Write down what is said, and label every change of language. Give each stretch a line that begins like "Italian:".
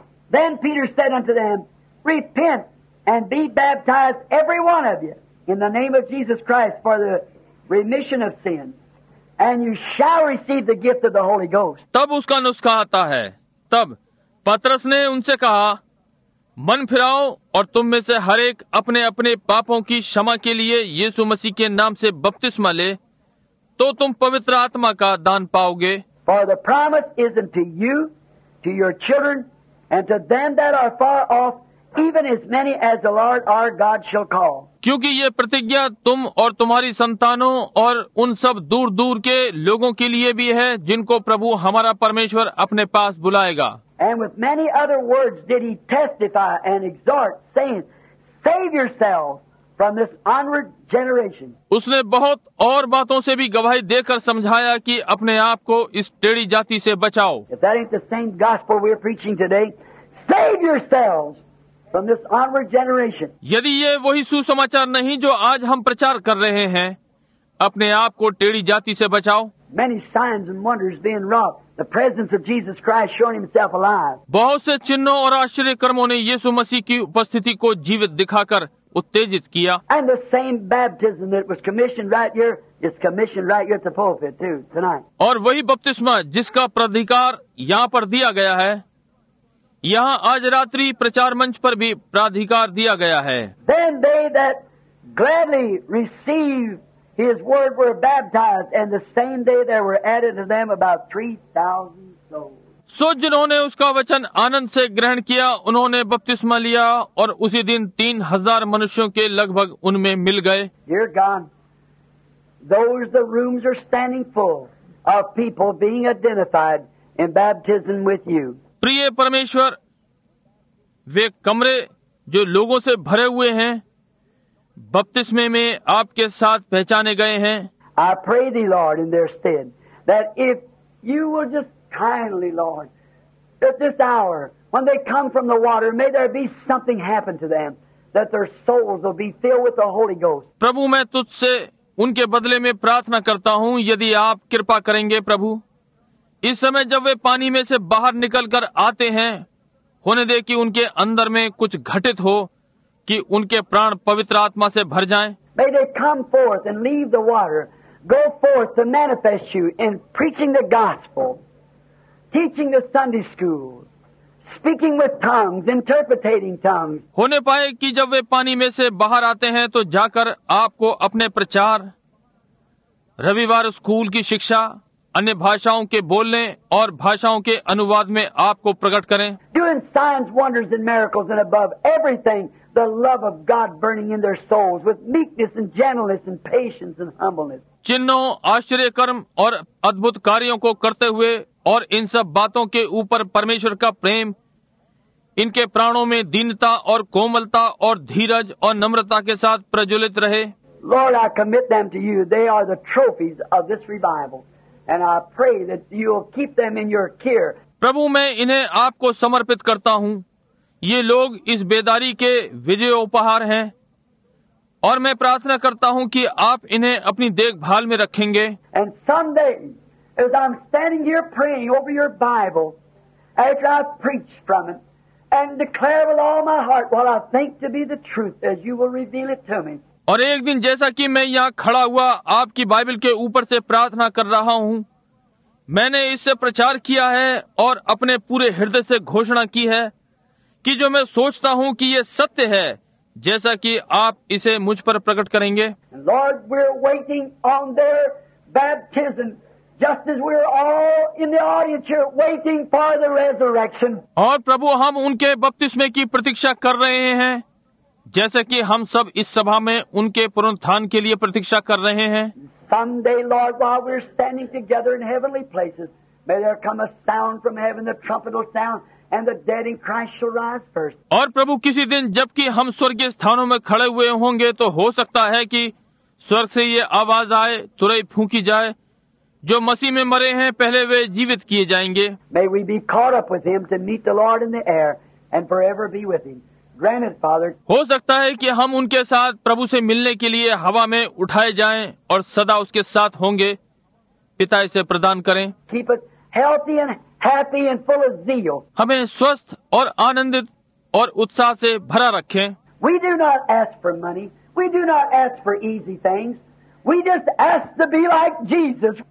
English: Then Peter said unto them, repent and be baptized every one of you in the name of Jesus Christ for the remission of sins, and you shall receive the gift of the Holy Ghost.
Hindi: तब उसका नुस्खा आता है. तब पत्रस ने उनसे कहा, मन फिराओ और तुम में से हर एक अपने अपने पापों की क्षमा के लिए यीशु मसीह के नाम से बपतिस्मा ले तो तुम पवित्र आत्मा का दान पाओगे.
English: For the promise is unto you, to your children, and to them that are far off, even as many as the Lord our God shall call.
Hindi: क्योंकि ये प्रतिज्ञा तुम और तुम्हारी संतानों और उन सब दूर दूर के लोगों के लिए भी है जिनको प्रभु हमारा परमेश्वर अपने पास बुलाएगा.
English: And with many other words did he testify and exhort, saying, save yourselves from this onward generation.
Hindi: उसने बहुत और बातों से भी गवाही देकर समझाया कि अपने आप को इस टेढ़ी जाति से बचाओ.
English: If that ain't the same gospel we're preaching today, save yourselves from this onward generation.
Hindi: यदि ये वही सुसमाचार नहीं जो आज हम प्रचार कर रहे हैं, अपने आप को टेढ़ी जाति से बचाओ.
English: Many signs and wonders being wrought, the presence of Jesus Christ showing himself alive.
Hindi: बहुत से चिन्हों और आश्चर्य कर्मों ने यीशु मसीह की उपस्थिति को जीवित दिखाकर उत्तेजित किया.
English: And the same baptism that was commissioned right here is commissioned right here at the pulpit too tonight.
Hindi: और वही बपतिस्मा जिसका प्राधिकार यहाँ पर दिया गया है, यहाँ आज रात्रि प्रचार मंच पर भी प्राधिकार दिया गया है.
English: Then they that gladly received his word were baptized, and the same day there were added to them about 3,000 souls.
Hindi: So, जिन्होंने उसका वचन आनंद से ग्रहण किया, उन्होंने बपतिस्मा लिया, और उसी दिन 3,000 मनुष्यों के लगभग उनमें मिल गए.
English: Dear God, those the rooms are standing full of people being identified in baptism with you.
Hindi: प्रिय परमेश्वर, वे कमरे जो लोगों से भरे हुए हैं, बपतिस्मे में आपके साथ पहचाने गए हैं।
English: I pray thee, Lord, in their stead, that if you will just kindly, Lord, that this hour, when they come from the water, may there be something happen to them, that their souls will be filled with the Holy Ghost.
Hindi: प्रभु, मैं तुझसे उनके बदले में प्रार्थना करता हूँ, यदि आप कृपा करेंगे प्रभु, इस समय जब वे पानी में से बाहर निकलकर आते हैं, होने दे कि उनके अंदर में कुछ घटित हो, कि उनके प्राण पवित्र आत्मा से भर जाएं।
English: May they come forth and leave the water, go forth to manifest you in preaching the gospel, teaching the Sunday school, speaking with tongues, interpreting tongues.
Hindi: होने पाए कि जब वे पानी में से बाहर आते हैं तो जाकर आपको अपने प्रचार, रविवार स्कूल की शिक्षा, अन्य भाषाओं के बोलने और भाषाओं के अनुवाद में आपको प्रकट करें।
English: Doing signs, wonders and miracles and above everything. The love of God burning in their souls with meekness and gentleness and patience and humbleness.
Hindi: चिन्हों, आश्चर्य कर्म और अद्भुत कार्यों को करते हुए और इन सब बातों के ऊपर परमेश्वर का प्रेम, इनके प्राणों में दीनता और कोमलता और धीरज और नम्रता के साथ प्रज्वलित रहे।
English: Lord, I commit them to you. They are the trophies of this revival, and I pray that you will keep them in your care.
Hindi: प्रभु, मैं इन्हें आपको समर्पित करता हूँ। ये लोग इस बेदारी के विजय उपहार हैं, और मैं प्रार्थना करता हूँ कि आप इन्हें अपनी देखभाल में रखेंगे।
English: And someday, as I'm standing here praying over your Bible, as I preach from it, and declare with all my heart what I think to be the truth, as you will reveal it to me.
Hindi: और एक दिन जैसा कि मैं यहाँ खड़ा हुआ आपकी बाइबल के ऊपर से प्रार्थना कर रहा हूँ, मैंने इससे प्रचार किया है और अपने पूरे हृदय से घोषणा की है कि जो मैं सोचता हूँ कि ये सत्य है, जैसा कि आप इसे मुझ पर प्रकट करेंगे।
English: Lord, we're waiting on their baptism, just as we're all in the audience here waiting for the resurrection.
Hindi: और प्रभु, हम उनके बपतिस्मे की प्रतीक्षा कर रहे हैं, जैसे कि हम सब इस सभा में उनके पुनरुत्थान के लिए प्रतीक्षा कर रहे हैं।
English: Someday, Lord, while we're standing together in heavenly places, may there come a sound from heaven, the trumpet will sound. And the dead in Christ shall rise first.
Hindi: और प्रभु, किसी दिन जबकि हम स्वर्गीय स्थानों में खड़े हुए होंगे, तो हो सकता है कि स्वर्ग से ये आवाज आए, तुरई फूंकी जाए, जो मसीह में मरे हैं पहले वे जीवित किए जाएंगे।
English: May we be caught up with him to meet the Lord in the air and forever be with him. Grant it, Father.
Hindi: हो सकता है कि हम उनके साथ प्रभु से मिलने के लिए हवा में उठाए जाएं और सदा उसके साथ होंगे। पिता, इसे प्रदान करें।
English: Keep us healthy and happy and full of zeal.
Hindi: हमें स्वस्थ और आनंदित और उत्साह से भरा रखें।
English: We do not ask for money. We do not ask for easy things. We just ask to be like Jesus.